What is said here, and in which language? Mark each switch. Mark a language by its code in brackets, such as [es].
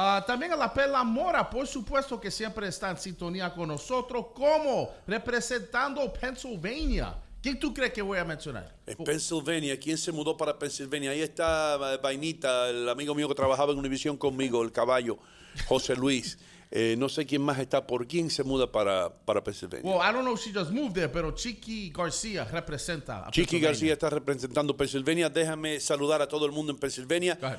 [es] También a la Perla Mora, por supuesto que siempre está en sintonía con nosotros, como representando Pennsylvania. ¿Quién tú crees que voy a mencionar? Es Pennsylvania. ¿Quién se mudó para Pennsylvania? Ahí está Vainita, el amigo mío que trabajaba en Univision conmigo, el caballo, José Luis. No sé quién más está. ¿Por quién se muda para Pennsylvania? [en] Well, I don't know if she just moved there, [es] pero Chiqui García representa a Chiqui García está representando Pennsylvania. Déjame saludar a todo el mundo en Pennsylvania.